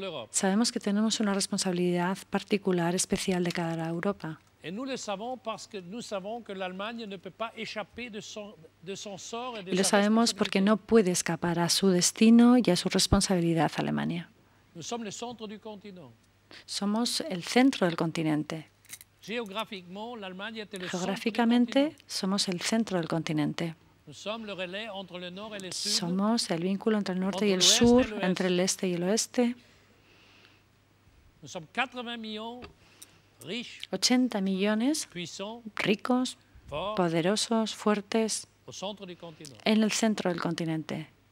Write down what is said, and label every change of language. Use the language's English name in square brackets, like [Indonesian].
[Spanish] Sabemos que tenemos una responsabilidad particular, especial de cara a Europa. [French] Et nous le savons parce que nous savons que l'Allemagne ne peut pas échapper de son sort et de sa. [Spanish] Lo sabemos porque no puede escapar a su destino y a su responsabilidad, Alemania. [French] Nous sommes le centre du continent. [Spanish] Somos el centro del continente. [French] Géographiquement, l'Allemagne est le centre. [Spanish] Geográficamente, somos el centro del continente. [French] Nous sommes le relais entre le nord et le sud. [Spanish] Somos el vínculo entre el norte y el sur, entre el este y el oeste. [French] Nous sommes 80 millions. [Spanish] 80 millones, ricos, poderosos, fuertes, en el centro del continente.